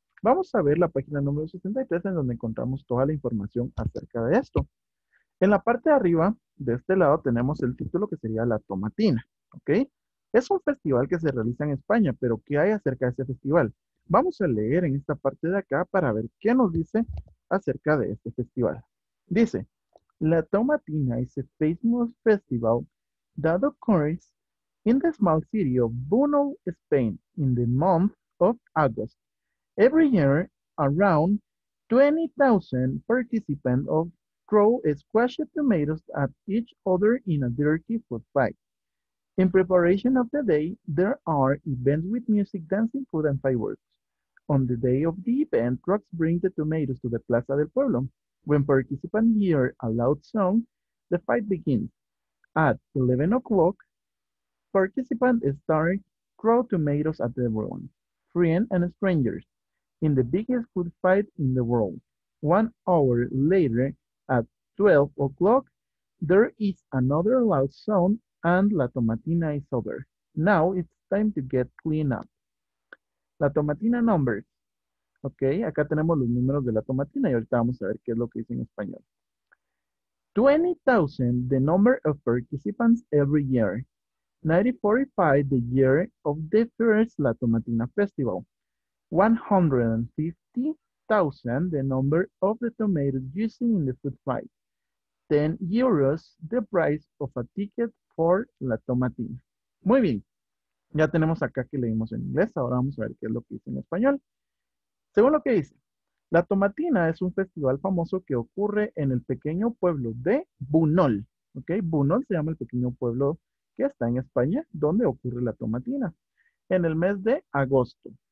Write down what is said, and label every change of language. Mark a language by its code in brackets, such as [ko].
[es] Vamos a ver la página número 63 en donde encontramos toda la información acerca de esto. En la parte de arriba, de este lado, tenemos el título que sería La Tomatina, ¿ok? Es un festival que se realiza en España, pero ¿qué hay acerca de ese festival? Vamos a leer en esta parte de acá para ver qué nos dice acerca de este festival. [en] Dice, La Tomatina is a famous festival that occurs in the small city of Buñol, Spain, in the month of August. Every year, around 20,000 participants of throw squashed tomatoes at each other in a dirty food fight. In preparation of the day, there are events with music, dancing, food, and fireworks. On the day of the event, trucks bring the tomatoes to the Plaza del Pueblo. When participants hear a loud song, the fight begins. At 11 o'clock, participants start throwing tomatoes at everyone, friends and strangers. In the biggest food fight in the world. 1 hour later, at 12 o'clock, there is another loud sound and La Tomatina is over. Now it's time to get clean up. La Tomatina numbers. [es] Ok, acá tenemos los números de La Tomatina y ahorita vamos a ver qué es lo que dice en español. [en] 20,000, the number of participants every year. 1945, the year of the first La Tomatina festival. 150,000, the number of the tomatoes used in the food fight. 10 euros, the price of a ticket for La Tomatina. [es] Muy bien, ya tenemos acá que leímos en inglés, ahora vamos a ver qué es lo que dice en español. Según lo que dice, La Tomatina es un festival famoso que ocurre en el pequeño pueblo de Buñol. ¿Ok? Buñol se llama el pequeño pueblo que está en España, donde ocurre La Tomatina, en el mes de agosto.